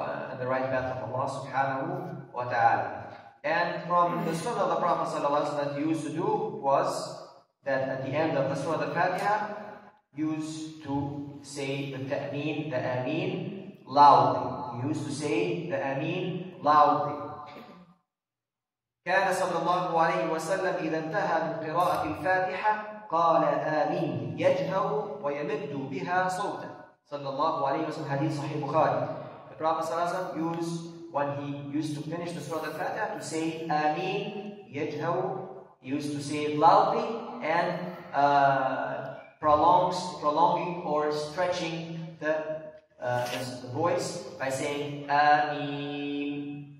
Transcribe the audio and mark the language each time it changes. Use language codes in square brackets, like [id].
[en] and the right path of Allah subhanahu wa ta'ala. And from the sunnah of the Prophet sallallahu alaihi wasallam that he used to do was that at the end of the surah al-Fatiha, used to say the ta'meen, the ameen, loudly. He used to say the ameen loudly. [ar] كان صلى الله عليه وسلم إذا انتهى من قراءة الفاتحة قال آمين يجهر ويمد بها صوتا صلى الله عليه وسلم حديث صحيح بخاري. [en] The Prophet صلى الله عليه وسلم used when he used to finish the surah al-Fatiha to say [ar] آمين يجهر. [en] He used to say it loudly and prolonging or stretching the voice by saying آمين.